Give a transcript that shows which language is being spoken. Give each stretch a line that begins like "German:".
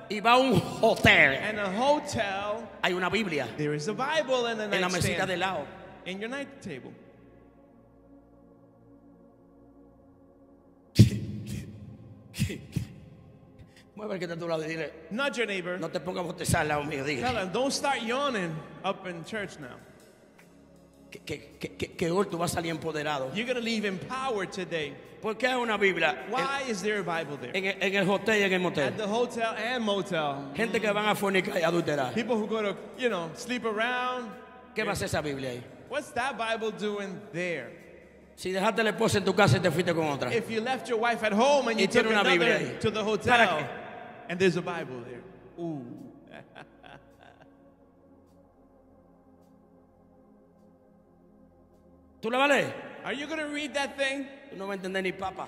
Spanish: y va a un hotel,
English: and a hotel,
Spanish: hay una Biblia,
English: there is a Bible in the nightstand,
Spanish: en la mesita de lado,
English: in your night table.
Spanish: Mueve el que está a tu lado y dile,
English: not your neighbor.
Spanish: No te pongas a bostezar al lado mío, dile.
English: Tell them, don't start yawning up in church now.
Spanish: Que hoy tú vas a salir empoderado.
English: You're going to leave in power today.
Spanish: ¿Por qué hay una Biblia?
English: Why is there a Bible there?
Spanish: En el hotel y en el motel.
English: At the hotel and motel.
Spanish: Gente que van a fornicar y adulterar.
English: People who go to, you know, sleep around.
Spanish: ¿Qué va a hacer esa Biblia ahí?
English: What's that Bible doing there?
Spanish: Si dejaste la esposa en tu casa y te fuiste con otra.
English: If you left your wife at home and you took another
Spanish: Biblia
English: to the hotel.
Spanish: ¿Para qué?
English: And there's a Bible there. Ooh.
Spanish: ¿Tú la vales?
English: Are you going to read that thing?
Spanish: No va a entender ni papa.